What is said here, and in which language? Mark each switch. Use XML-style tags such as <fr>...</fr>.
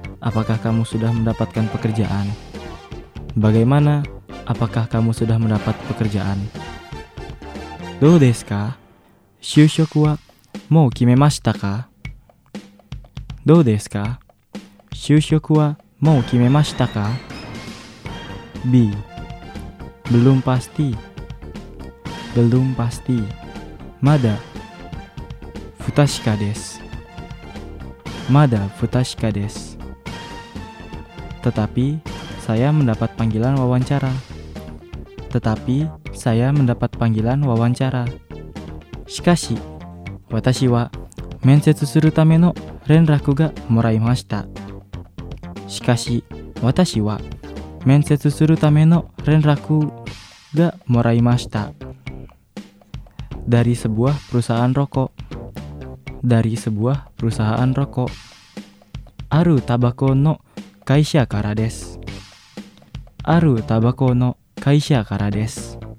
<id>Apakah kamu sudah mendapatkan pekerjaan? Bagaimana? Apakah kamu sudah mendapat pekerjaan?</id> <ja>Dou desu ka? 就職はもう決めましたか？どうですか？就職はもう決めましたか ？B.</ja> <id>Belum pasti. Belum pasti.</id> <ja>まだ不確かです。まだ不確かです。</ja> <id>Tetapi saya mendapat panggilan wawancara. Tetapi saya mendapat panggilan wawancara.</id> <ja>しかし、私は面接するための連絡がもらいました。しかし、私は面接するための連絡がもらいました。</ja> <id>dari sebuah perusahaan rokok. dari sebuah perusahaan rokok.</id> <ja>あるタバコの会社からです。あるタバコの会社からです。</ja>